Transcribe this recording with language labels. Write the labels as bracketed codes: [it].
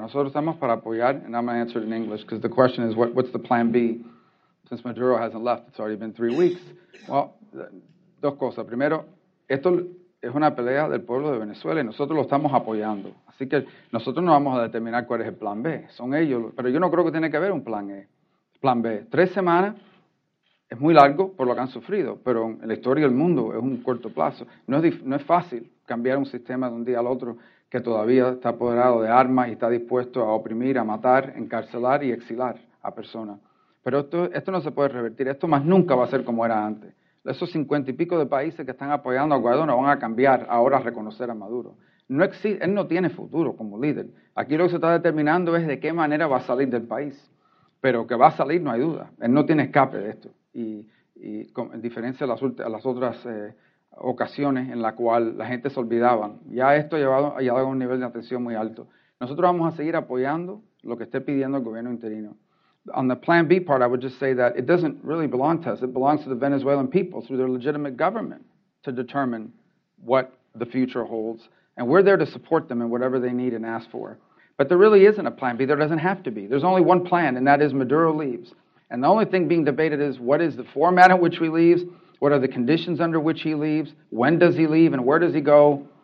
[es] A nosotros estamos para apoyar, [en] and I'm going to answer it in English, because the question is, what's the plan B? Since Maduro hasn't left, it's already been 3 weeks. [es] Well, dos cosas. Primero, esto es una pelea del pueblo de Venezuela y nosotros lo estamos apoyando. Así que nosotros no vamos a determinar cuál es el plan B. Son ellos. Pero yo no creo que tiene que haber un plan E, plan B. 3 semanas es muy largo por lo que han sufrido, pero en la historia del mundo es un corto plazo. No es fácil cambiar un sistema de un día al otro que todavía está apoderado de armas y está dispuesto a oprimir, a matar, encarcelar y exilar a personas. Pero esto no se puede revertir. Esto más nunca va a ser como era antes. Esos 50 y pico de países que están apoyando a Guaidó no van a cambiar ahora a reconocer a Maduro. No existe, él no tiene futuro como líder. Aquí lo que se está determinando es de qué manera va a salir del país. Pero que va a salir no hay duda. Él no tiene escape de esto. Y en diferencia a las otras ocasiones en las cuales la gente se olvidaba. Ya esto ha llevado a un nivel de atención muy alto. Nosotros vamos a seguir apoyando lo que esté pidiendo el gobierno interino. [en] On the plan B part, I would just say that it doesn't really belong to us. It belongs to the Venezuelan people through their legitimate government to determine what the future holds. And we're there to support them in whatever they need and ask for. But there really isn't a plan B. There doesn't have to be. There's only one plan, and that is Maduro leaves. And the only thing being debated is what is the format in which he leaves, what are the conditions under which he leaves, when does he leave, and where does he go?